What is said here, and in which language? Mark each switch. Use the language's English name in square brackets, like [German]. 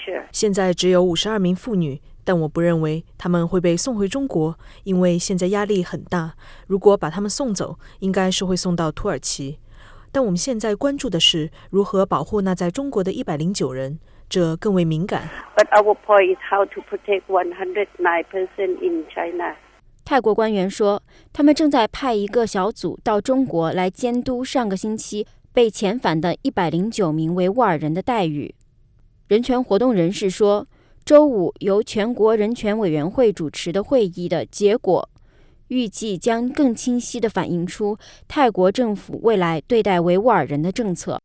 [Chinese] 现在只有52名妇女，但我不认为他们会被送回中国，因为现在压力很大，如果把他们送走，应该是会送到土耳其。但我们现在关注的是如何保护那在中国的109人，这更为敏感。 [English] But our point is how to protect 109 person in China. [Chinese] 泰国官员说，他们正在派一个小组到中国来监督上个星期被遣返的109名维吾尔人的待遇。人权活动人士说，周五由全国人权委员会主持的会议的结果，预计将更清晰地反映出泰国政府未来对待维吾尔人的政策。